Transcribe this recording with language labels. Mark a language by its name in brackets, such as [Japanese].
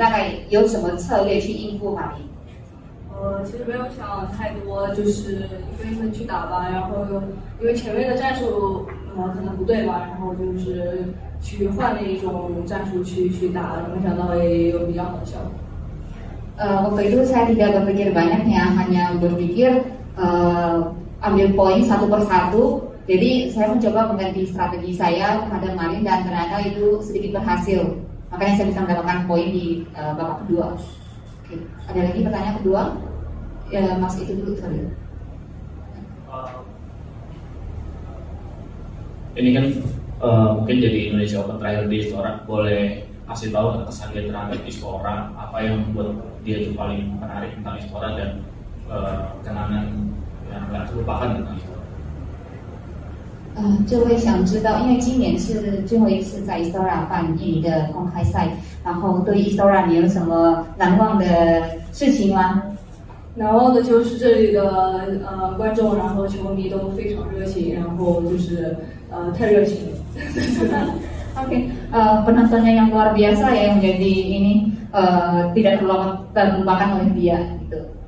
[Chinese] 这位想知道就是在第二局就是你在落后的情况下你当时的想法是什么，然后你大概有什么策略去应付吗？其实没有想太多，就是一分一分去打吧，然后又因为前面的战术可能不对吧，然后就是去换了一种战术去打，没想到也有比较好的效果。 [Indonesian] Waktu itu saya tidak berpikir banyak ya, hanya berpikir ambil poin satu per satu. Jadi saya mencoba mengganti strategi saya terhadap Marin dan ternyata itu sedikit berhasil. Makanya saya bisa mendapatkan poin di babak kedua. Okay. Ada lagi pertanyaan kedua? Ya, Mas itu dulu, sorry. Ini kan mungkin jadi Indonesia Open terakhir di Istora, boleh kasih tahu kesan dia terhadap Istora, apa yang membuat dia itu paling menarik tentang Istora dan kenangan yang tidak terlupakan tentang Istora. [Chinese] 这位想知道，因为今年是最后一次在 Istora 办印尼的公开赛，然后对 Istora 你有什么难忘的事情吗？难忘的就是这里的观众，然后球迷都非常热情，然后就是太热情了。 [Indonesian] OK， penontonnya yang luar biasa ya, yang menjadi ini tidak terlupakan oleh dia gitu.